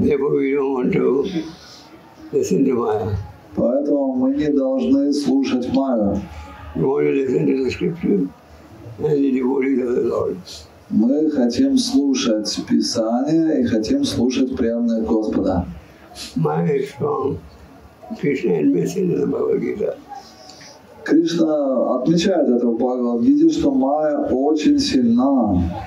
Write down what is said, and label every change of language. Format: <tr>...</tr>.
<en>Therefore, we don't want to listen to Майя.</en> <ru>Поэтому мы не должны слушать Майю.</ru> <en>We want to listen to the scripture and the devotees of the Lord.</en> <ru>Мы хотим слушать Писание и хотим слушать преданных Господа.</ru> <en>Майя is strong. Krishna is missing in the Bhagavad Gita.</en> <ru>Кришна отмечает это в Бхагавад-гите, что Майя очень сильна.</ru>